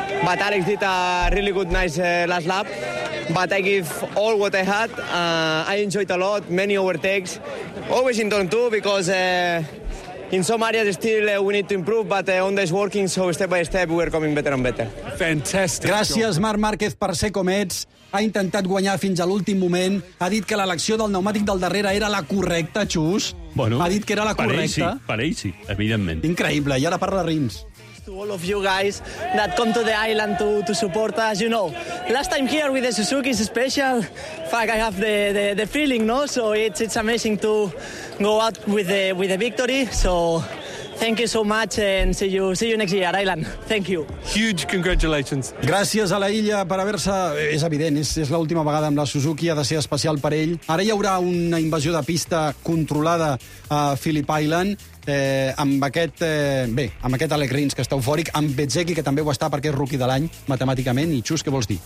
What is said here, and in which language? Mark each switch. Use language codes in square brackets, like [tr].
[en] But Alex did a really good, nice last lap. But I give all what I had. I enjoyed a lot, many overtakes. Always in turn two because in some areas still we need to improve, but on this working, so step by step we're coming better and better. Fantastic. [ca] Gràcies, Marc Márquez, per ser com ets. Ha intentat guanyar fins a l'últim moment. Ha dit que l'elecció del pneumàtic del darrere era la correcta, Xus. Bueno, ha dit que era la correcta. Per ell sí, evidentment. Increïble, i ara parla Rins. [en] To all of you guys that come to the island to support us, you know. Last time here with the Suzuki is special. In fact, I have the feeling, no? So it's amazing to go out with the victory. So thank you so much and see you next year, island. Thank you. Huge congratulations. [ca] Gràcies a la illa per haver-se... És evident, és l'última vegada amb la Suzuki, ha de ser especial per ell. Ara hi haurà una invasió de pista controlada a Phillip Island. Amb aquest Alec Rins, que està eufòric, amb Bezzecchi, que també ho està perquè és rookie de l'any, matemàticament, i Xus, què vols dir?